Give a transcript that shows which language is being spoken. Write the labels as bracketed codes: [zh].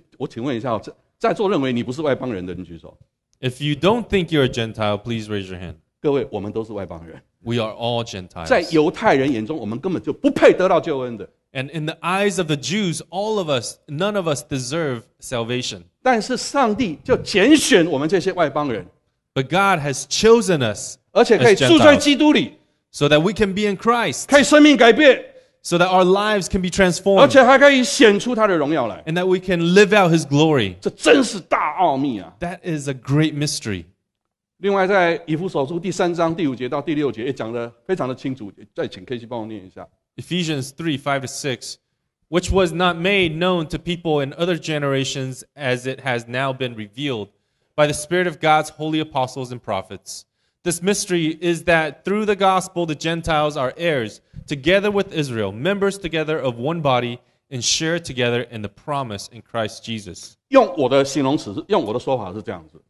[zh] 我请问一下，在座认为你不是外邦人的，你举手。 [en] If you don't think you're a Gentile, please raise your hand. [zh] 各位，我们都是外邦人。 [en] We are all Gentiles. [zh] 在犹太人眼中，我们根本就不配得到救恩的。 [en] And in the eyes of the Jews, all of us, none of us deserve salvation. [zh] 但是上帝就拣选我们这些外邦人, [en] but God has chosen us as Gentiles, so that we can be in Christ, [zh] 可以生命改变, [en] so that our lives can be transformed. And that we can live out His glory. That is a great mystery. [zh] 另外在以弗所书第三章第五节到第六节也讲得非常的清楚，再请KC帮我念一下。 [en] Ephesians 3, 5 to 6, which was not made known to people in other generations as it has now been revealed by the Spirit of God's holy apostles and prophets. This mystery is that through the gospel the Gentiles are heirs, together with Israel, members together of one body, and share together in the promise in Christ Jesus. [zh] 用我的形容词，用我的说法是这样子。